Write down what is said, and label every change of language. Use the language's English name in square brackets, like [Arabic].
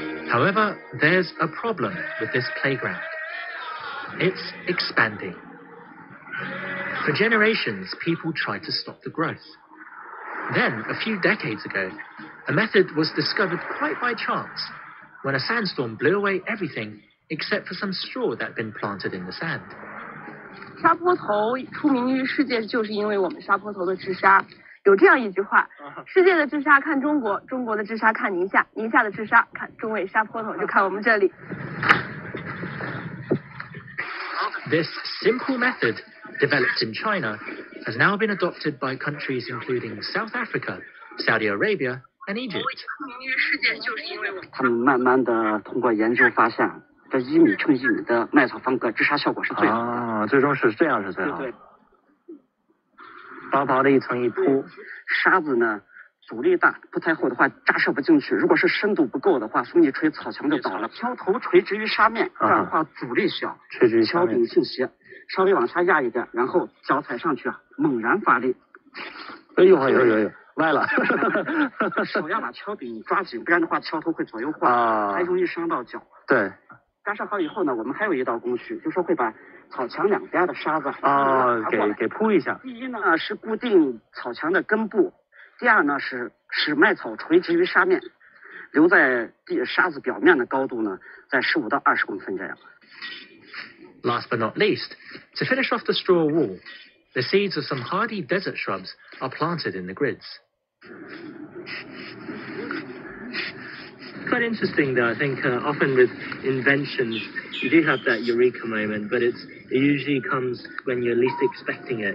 [English] However, there's a problem with this playground. It's expanding. For generations, people tried to stop the growth. Then, a few decades ago, a method was discovered quite by chance when a sandstorm blew away everything except for some straw that had been planted in the sand. [Chinese] 沙坡头出名于世界就是因为我们沙坡头的治沙。有这样一句话，世界的治沙看中国，中国的治沙看宁夏，宁夏的治沙看中卫沙坡头，就看我们这里。 [English] This simple method developed in China has now been adopted by countries including South Africa, Saudi Arabia, and Egypt. [Chinese] 他们慢慢的通过研究发现，这一米乘一米的麦草方格治沙效果是最好的。啊，最终是这样是最好的。对对薄薄的一层一铺，沙子呢阻力大，不太厚的话扎射不进去，如果是深度不够的话风一吹草墙就倒了，敲头垂直于沙面，这样的话阻力小，垂直于敲柄倾斜，稍微往下压一点，然后脚踩上去啊，猛然发力，哎呦歪了，手要把敲柄抓紧，不然的话敲头会左右晃、还容易伤到脚。对，扎射好以后呢，我们还有一道工序，就是说会把草墙两边的沙子给铺一下。第一呢是固定草墙的根部，第二呢是使麦草垂直于沙面，留在地沙子表面的高度呢在15到20公分这样。 [English] Last but not least, to finish off the straw wall, the seeds of some hardy desert shrubs are planted in the grids. Quite interesting, though. I think often with inventions. You do have that eureka moment, but it usually comes when you're least expecting it.